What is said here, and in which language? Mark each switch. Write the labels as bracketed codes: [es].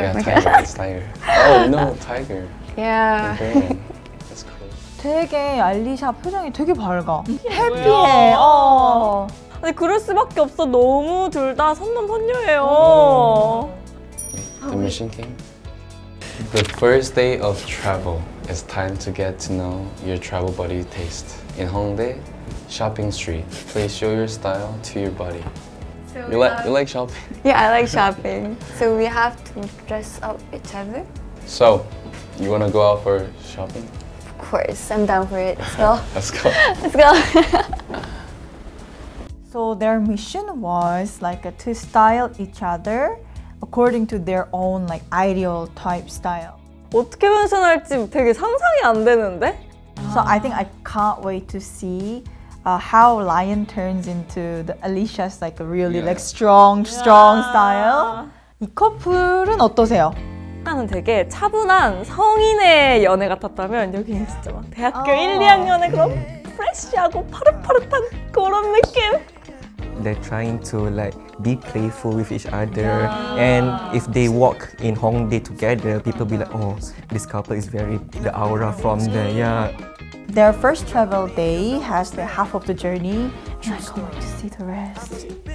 [en] Yeah, tiger. It's tiger. Oh, you know tiger. Yeah. It's cool. [ko] 되게 알리샤 표정이 되게 밝아. 해피해. 어. 근데 그럴 수밖에 없어. 너무 둘 다 선남 선녀예요. [en] The mission came. The first day of travel. It's time to get to know your travel buddy taste. In Hongdae, shopping street. Please show your style to your buddy. So you like shopping? Yeah, I like shopping. So we have to dress up each other. So, you wanna go out for shopping? Of course, I'm down for it. So, let's go. Let's go. So their mission was like to style each other. According to their own like ideal type style. [ko] 어떻게 변신할지 되게 상상이 안 되는데? [en] So I think I can't wait to see how Lion turns into the Alicia's like a really yeah. like strong yeah. strong style. [ko] 이 커플은 어떠세요? 약간은 되게 차분한 성인의 연애 같았다면 여기는 진짜 막 대학교 1, 2학년의 그런 fresh하고 파릇파릇한 그런 느낌. [en] They're trying to like be playful with each other yeah. and if they walk in Hongdae together, people be like, oh, this couple is very, the aura from there, yeah. Their first travel day has the half of the journey and I can't wait to see the rest.